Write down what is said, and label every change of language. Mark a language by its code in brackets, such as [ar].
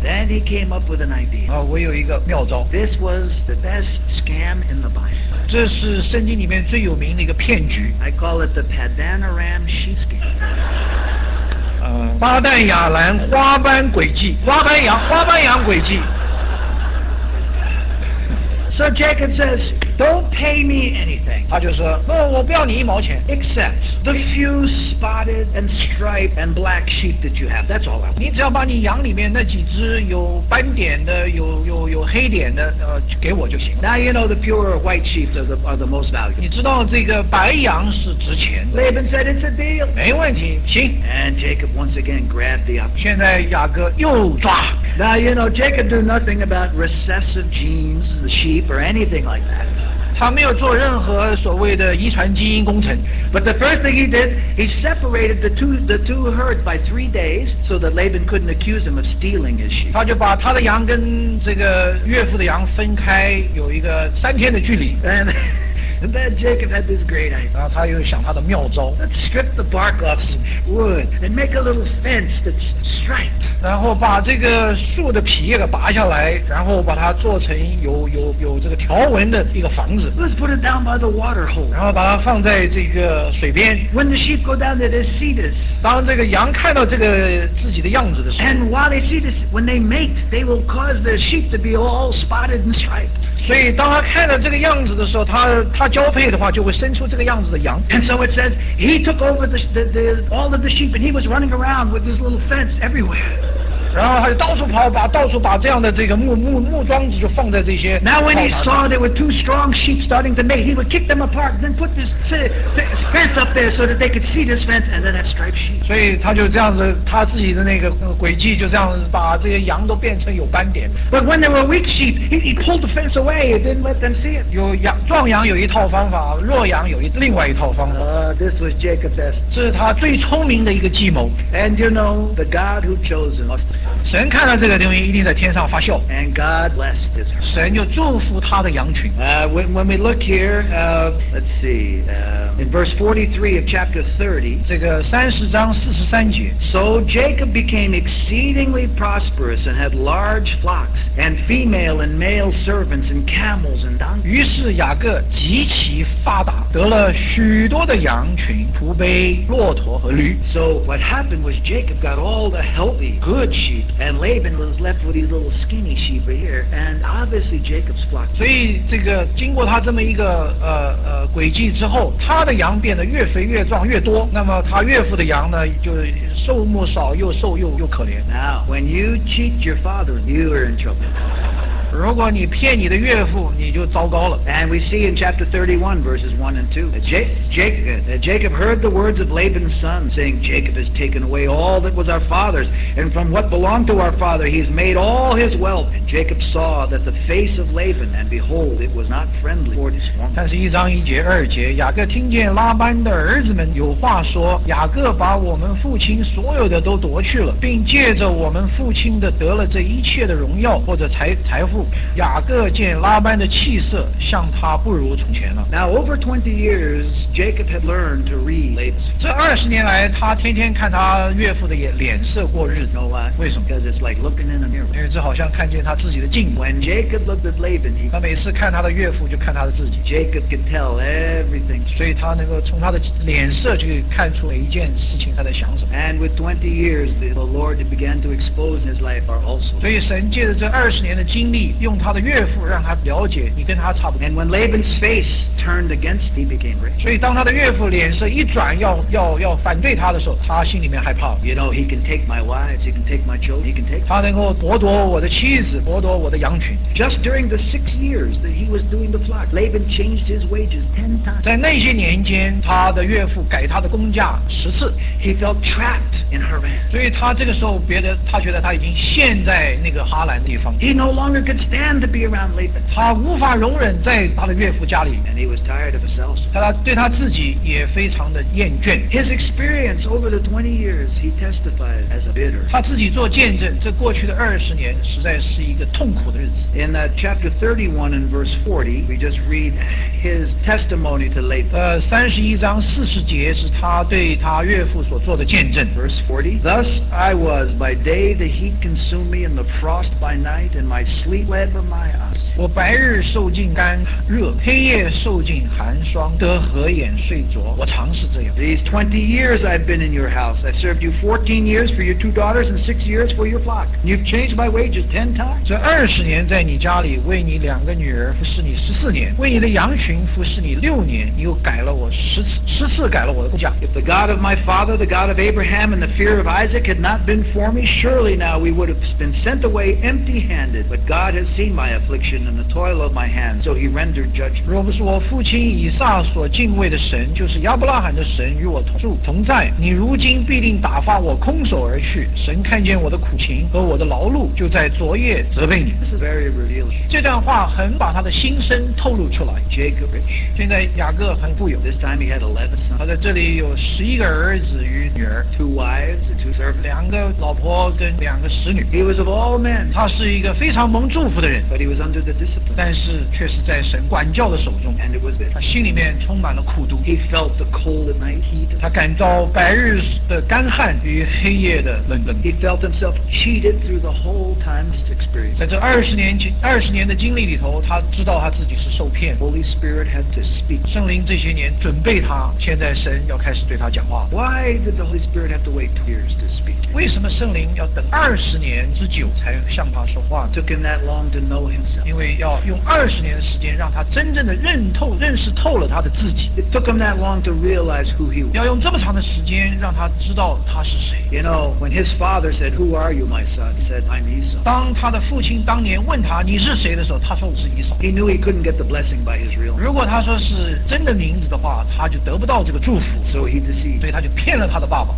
[en] Then he came up with an idea. [zh] 啊，我有一个妙招。 [en] This was the best scam in the Bible. [zh] 这是圣经里面最有名的一个骗局。 [en] I call it the Padanaram She Scam. [zh] 巴旦亚兰花斑诡计，花斑羊诡计。 [en] So Jacob says, "Don't pay me anything." [zh] 他就说，不，我不要你一毛钱。 [en] Except the few spotted and striped and black sheep that you have. That's all. [zh] 你只要把你羊里面那几只有斑点的、有黑点的，给我就行。 [en] Now you know the pure white sheep are the most valuable. [zh] 你知道这个白羊是值钱的。 [en] Laban said it's a deal. [zh] 没问题，行。 [en] And Jacob once again grabbed the opportunity. [zh] 现在雅各又抓。 [en] Now you know Jacob knew nothing about recessive genes in the sheep or anything like that. [zh] 他没有做任何所谓的遗传基因工程。 [en] But the first thing he did, he separated the two herds by 3 days so that Laban couldn't accuse him of stealing his sheep. [zh] 他就把他的羊跟这个岳父的羊分开，有一个3天的距离。 [en] And then Jacob had this great idea. [zh] 他又想他的妙招。 [en] Let's strip the bark off some wood and make a little fence that's striped. [zh] 然后把这个树的皮也给拔下来，然后把它做成有这个条纹的一个房子。 [en] Let's put it down by the water hole. [zh] 然后把它放在这个水边。 [en] When the sheep go down there, they see this. [zh] 当这个羊看到这个自己的样子的时候。 [en] And while they see this, when they mate, they will cause the sheep to be all spotted and striped. [zh] 所以当他看到这个样子的时候，他交配的话就会生出这个样子的羊。 [en] And so it says, he took over the all of the sheep and he was running around with this little fence everywhere. [zh] 然后他就到处跑，到处把这样的这个木桩子就放在这些。 [en] Now when he saw there were two strong sheep starting to mate, he would kick them apart and then put this fence up there so that they could see this fence and then have striped sheep. [zh] 所以他就这样子，他自己的那个诡计就这样子把这些羊都变成有斑点。 [en] But when there were weak sheep, he pulled the fence away and didn't let them see it. [zh] 有羊壮羊有一套方法，弱羊有另外一套方法。 [en] This was Jacob's best. [zh] 这是他最聪明的一个计谋。 [en] And you know the God who chose him. [zh] 神看到这个东西一定在天上发笑。 [en] And God blessed his [zh] herd. 神就祝福他的羊群。 [en] When we look here, let's see, in verse 43 of chapter 30, [zh] 这个三十章四十三节。 [en] So Jacob became exceedingly prosperous and had large flocks and female and male servants and camels and donkeys. [zh] 于是雅各极其发达，得了许多的羊群、仆婢、骆驼和驴。 [en] So what happened was Jacob got all the healthy, good sheep, and Laban was left with these little skinny sheep right here. And obviously Jacob's flock. [zh] 所以这个经过他这么一个诡计之后，他的羊变得越肥越壮越多。那么他岳父的羊呢，就瘦木少，又瘦又可怜。 [en] Now when you cheat your father, you are in trouble. [zh] 如果你骗你的岳父，你就糟糕了。 [en] And we see in chapter 31, verses 1 and 2, Jacob heard the words of Laban's son, saying, Jacob has taken away all that was our father's, and from what belonged to our father, he has made all his wealth. And Jacob saw that the face of Laban, and behold, it was not friendly toward his father. [zh] 但是一章一节二节，雅各听见拉班的儿子们有话说，雅各把我们父亲所有的都夺去了，并借着我们父亲的得了这一切的荣耀或者财富。雅各见拉班的气色，向他不如从前了。 [en] Now over 20 years, Jacob had learned to read Laban's. [zh] 这二十年来，他天天看他岳父的脸色过日子。 [en] No why? [zh] 为什么 [en] ？Because it's like looking in a mirror. [zh] 因为这好像看见他自己的镜子。 [en] When Jacob looked at Laban, [zh] 他每次看他的岳父，就看他的自己。 [en] Jacob can tell everything. [zh] 所以他能够从他的脸色去看出每一件事情他在想什么。 [en] And with 20 years, the Lord began to expose his life are also. [zh] 所以神借着这二十年的经历。用他的岳父让他了解你跟他差不多。 [en] And when Laban's face turned against, he became rich. [zh] 所以当他的岳父脸色一转要反对他的时候，他心里面害怕。 [en] You know, he can take my wives, he can take my children, he can take. [zh] 他能够剥夺我的妻子，剥夺我的羊群。 [en] Just during the 6 years that he was doing the flock, Laban changed his wages 10 times. [zh] 在那些年间，他的岳父改他的工价10次。 [en] He felt trapped in Haran. [zh] 所以他这个时候他觉得他已经陷在那个哈兰的地方。 [en] He no longer could stand to be around Laban. [zh] 他无法容忍在他的岳父家里。 [en] And he was tired of himself. [zh] 他对他自己也非常的厌倦。 [en] His experience over the 20 years he testified as a bitter. [zh] 他自己做见证，这过去的二十年实在是一个痛苦的日子。 [en] In that chapter 31 and verse 40, we just read his testimony to Laban. [zh] 31章40节是他对他岳父所做的见证。 [en] Verse 40. Thus I was by day the heat consumed me, and the frost by night, and my sleep. [zh] 我白日受尽干热，黑夜受尽寒霜，得合眼睡着。我常是这样。 [en] These 20 years I've been in your house. I've served you 14 years for your 2 daughters and 6 years for your flock. You've changed my wages 10 times. [zh] 这二十年在你家里为你两个女儿服侍你14年，为你的羊群服侍你6年，你又改了我十次改了我的工价。 [en] If the God of my father, the God of Abraham, and the fear of Isaac had not been for me, surely now we would have been sent away empty-handed. But God has seen my affliction and the toil of my hands, so he rendered judgment. [zh] 若不是我父亲以撒所敬畏的神，就是亚伯拉罕的神与我同在，你如今必定打发我空手而去。神看见我的苦情和我的劳碌，就在昨夜责备你。 [en] This is very revealing. [zh] 这段话很把他的心声透露出来。 [en] Jacob rich. [zh] 现在雅各很富有。 [en] This time he had 11 sons. [zh] 他在这里有11个儿子与女儿。 [en] 2 wives and 2 servants. [zh] 两个老婆跟两个使女。 [en] He was of all men. [zh] 他是一个非常蒙祝福的人。 [en] But he was under the discipline. [zh] 但是却是在神管教的手中。 [en] And it was bitter. [zh] 他心里面充满了苦毒。 [en] He felt the cold at night heat. [zh] 他感到白日的干旱与黑夜的冷冷。 [en] He felt himself cheated through the whole time's experience. [zh] 在这二十年的经历里头，他知道他自己是受骗。 [en] Holy Spirit had to speak. [zh] 圣灵这些年准备他，现在神要开始对他讲话。 [en] Why did the Holy Spirit have to wait 2 years to speak? [zh] 为什么圣灵要等二十年之久才向他说话呢？ [en] Took him that long to know. [zh] 因为要用二十年的时间让他真正的认识透了他的自己。 [en] It took him that long to realize who he was. [zh] 要用这么长的时间让他知道他是谁。 [en] You know, when his father said, "Who are you, my son?" He said, "I'm Esau." [zh] 当他的父亲当年问他你是谁的时候，他说我是以扫。 [en] He knew he couldn't get the blessing by his real name. [zh] 如果他说是真的名字的话，他就得不到这个祝福。 [en] So he deceived. [zh] 所以他就骗了他的爸爸。